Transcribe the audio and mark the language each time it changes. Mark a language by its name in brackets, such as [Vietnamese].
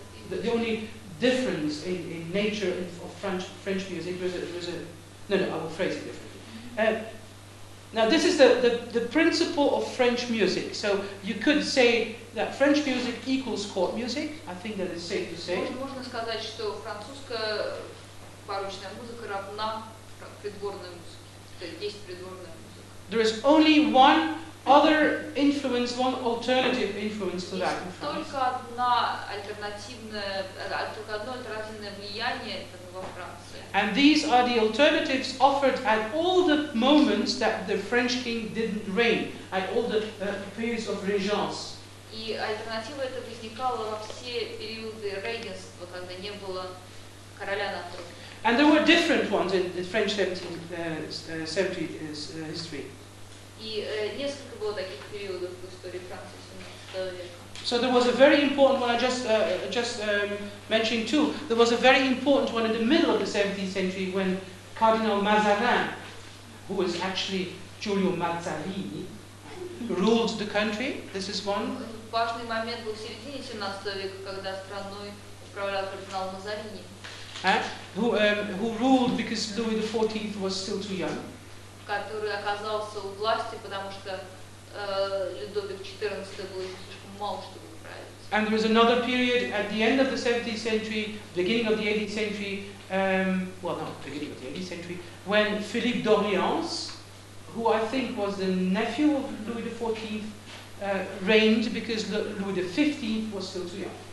[English] The only difference in nature of French music was a... No, I will phrase it differently. Now, this is the principle of French music. So you could say that French music equals court music. I think that is safe to say. [Russian] Можно сказать, что французская барочная музыка равна придворной музыке. Есть придворная музыка. [English] There is only one other influence, one alternative influence to that. [Russian] Есть только одна альтернативная, только одно альтернативное влияние этого во Франции. [English] And these are the alternatives offered at all the moments that the French king didn't reign, at all the periods of regence. [Russian] И альтернатива эта возникала во все периоды регенства, когда не было короля на троне. [English] And there were different ones in the French 17th history. [Russian] И несколько было таких периодов в истории Франции 17 века. [English] So there was a very important one, I just mentioned too. There was a very important one in the middle of the 17th century when Cardinal Mazarin, who was actually Giulio Mazzarini, ruled the country. This is one. [Russian] Важный момент был в середине 17 века, когда страной управлял кардинал Мазарини. [English] Who ruled because Louis XIV was still too young. [Russian] Который оказался у власти, потому что Людовик XIV был еще слишком мал, чтобы править. [English] And there was another period at the end of the 17th century, beginning of the 18th century, beginning of the 18th century, when Philippe d'Orléans, who I think was the nephew of Louis XIV, reigned because Louis XV was still too young.